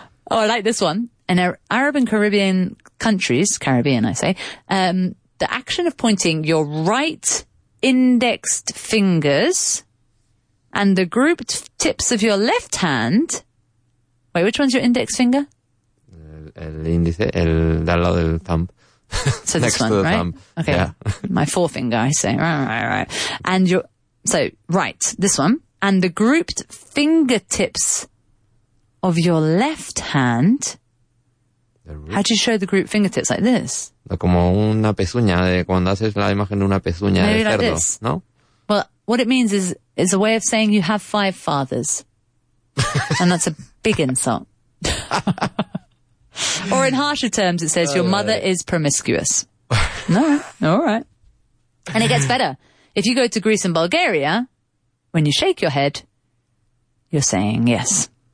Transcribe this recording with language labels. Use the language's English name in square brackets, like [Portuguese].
[English] Oh, I like this one. In Arab and Caribbean countries, Caribbean, I say, the action of pointing your right indexed fingers and the grouped tips of your left hand. Wait, which one's your index finger? [Spanish] El índice, el de al lado del thumb. [English] So this one, right? Thumb. Okay, yeah. My forefinger, I say. Right. And your, so, right, this one. And the grouped fingertips of your left hand. How do you show the group fingertips like this? [Spanish] Como una pezuña, de cuando haces la imagen de una pezuña [English] maybe [Spanish] de cerdo, [English] like this. [Spanish] ¿No? [English] Well, what it means is a way of saying you have five fathers. And that's a big insult. Or in harsher terms, it says your mother is promiscuous. No, all right. And it gets better. If you go to Greece and Bulgaria, when you shake your head, you're saying yes.